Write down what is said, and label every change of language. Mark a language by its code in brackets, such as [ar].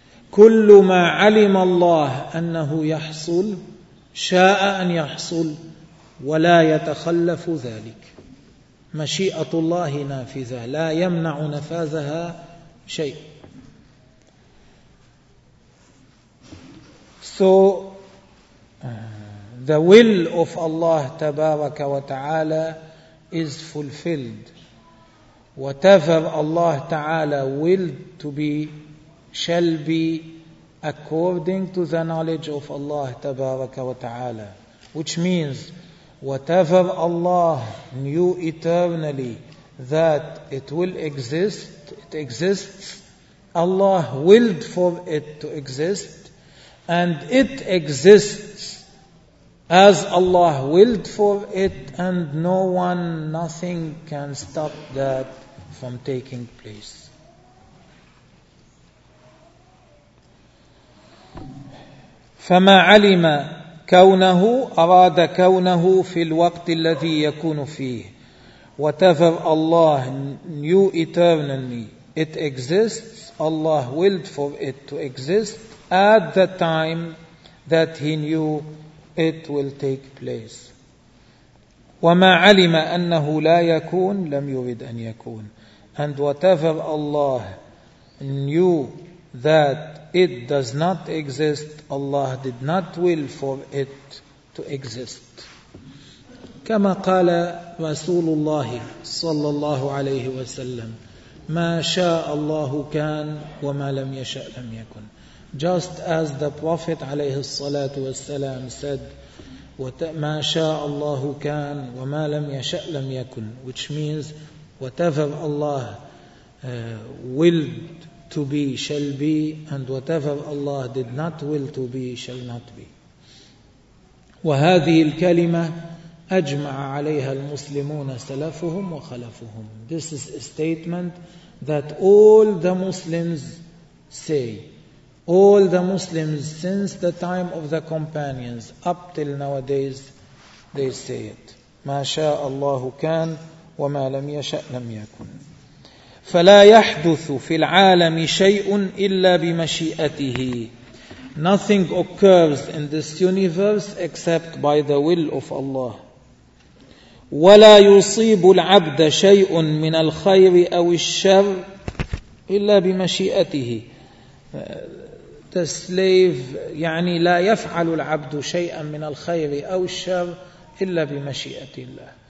[ar] كل ما علم الله أنه يحصل شاء أن يحصل ولا يتخلف ذلك. مشيئة الله نافذة، لا يمنع نفاذها شيء. [en] So the will of Allah [ar] تبارك وتعالى [en] is fulfilled. Whatever Allah Ta'ala willed to be shall be according to the knowledge of Allah Tabaraka wa Ta'ala. Which means, whatever Allah knew eternally that it will exist, it exists. Allah willed for it to exist, and it exists as Allah willed for it, and no one, nothing can stop that from taking place. [ar] فما علم كونه أراد كونه في الوقت الذي يكون فيه. [en] Whatever Allah knew eternally, it exists, Allah willed for it to exist at the time that He knew it will take place. [ar] وما علم أنه لا يكون لم يرد أن يكون. [en] And whatever Allah knew that it does not exist, Allah did not will for it to exist. [ar] كما قال رسول الله صلى الله عليه وسلم، ما شاء الله كان وما لم يشأ لم يكن. [en] Just as the Prophet [ar] عليه الصلاة والسلام [en] said, [ar] ما شاء الله كان وما لم يشأ لم يكن, [en] which means whatever Allah willed to be shall be, and whatever Allah did not will to be shall not be. [ar] وهذه الكلمة أجمع عليها المسلمون سلفهم وخلفهم. [en] This is a statement that all the Muslims say. All the Muslims since the time of the companions up till nowadays, they say it. [ar] ما شاء الله كان وما لم يشأ لم يكن. فلا يحدث في العالم شيء إلا بمشيئته. [en] Nothing occurs in this universe except by the will of Allah. [ar] ولا يصيب العبد شيء من الخير أو الشر إلا بمشيئته. [en] The slave, [ar] يعني لا يفعل العبد شيئا من الخير أو الشر إلا بمشيئة الله.